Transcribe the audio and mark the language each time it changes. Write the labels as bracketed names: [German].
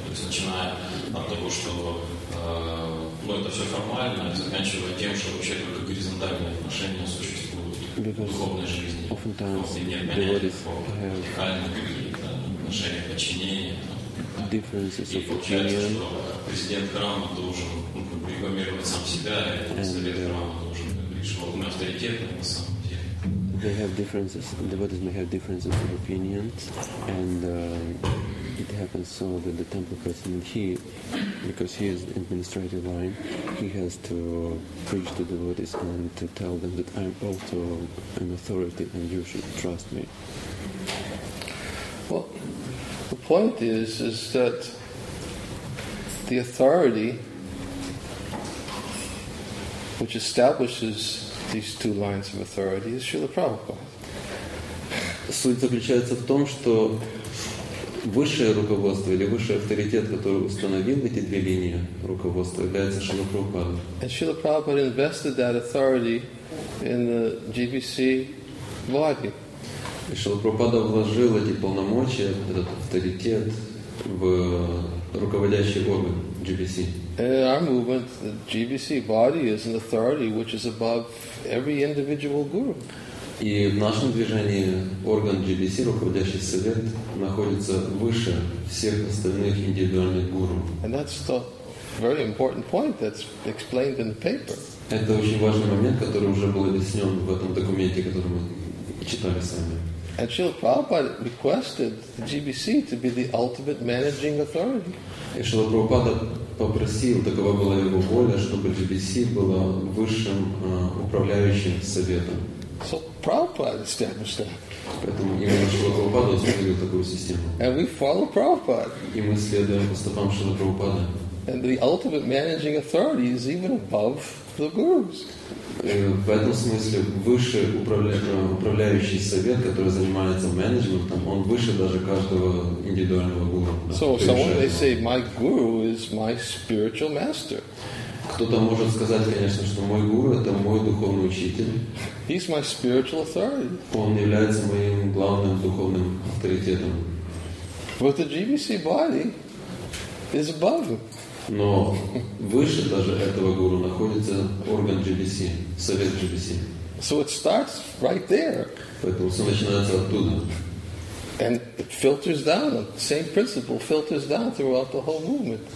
[Russian] То есть начиная от того, что ну, это все формально, и заканчивая тем, что вообще только горизонтальные отношения существуют в духовной жизни. [English] Oftentimes, [Russian] и нет понятия по вертикальным какие-то отношения, подчинения. И получается, что президент храма должен рекламировать сам себя, и совет храма должен лишь одно авторитетное на самом. [English] They have differences, devotees may have differences of opinions, and it happens so that the temple president, he, because he is the administrative line, he has to preach to devotees and to tell them that I'm also an authority and you should trust me. Well, the point is that the authority which establishes these two lines of authority is Srila Prabhupada. [Russian] Суть заключается в том, что высшее руководство или высший авторитет, который установил эти две линии руководства, является Шрила Прабхупада. [English] And Srila Prabhupada invested that authority in the GBC body. [Russian] И Шрила Прабхупада вложил эти полномочия, этот авторитет в руководящий орган GBC. [English] In our movement, the GBC body is an authority which is above every individual guru. [Russian] И в нашем движении орган GBC, руководящий совет, находится выше всех остальных индивидуальных гуру. [English] And that's a very important point that's explained in the paper. [Russian] Это очень важный момент, который уже был объяснен в этом документе, который мы читали с вами. [English] And Srila Prabhupada requested the GBC to be the ultimate managing authority. [Russian] И Шрила Прабхупада попросил, такова была его воля, чтобы GBC была высшим управляющим советом. [English] So Prabhupada established that. [Russian] Поэтому именно Шрила Прабхупада установил такую систему. [English] And we follow Prabhupada. [Russian] И мы следуем по стопам Шрила Прабхупада. [English] And the ultimate managing authority is even above the gurus. [Russian] В этом смысле выше управляющий совет, который занимается менеджментом, он выше даже каждого индивидуального гуру. [English] So someone may say, my guru is my spiritual master. [Russian] Кто-то может сказать, конечно, что мой гуру — это мой духовный учитель. [English] He's my spiritual authority. [Russian] Он является моим главным духовным авторитетом. [English] But the GBC body is above him. [Russian] Но выше даже этого гуру находится орган GBC, совет GBC. [English] So it starts right there. [Russian] Поэтому все начинается оттуда. [English] And it filters down, the same principle filters down throughout the whole movement.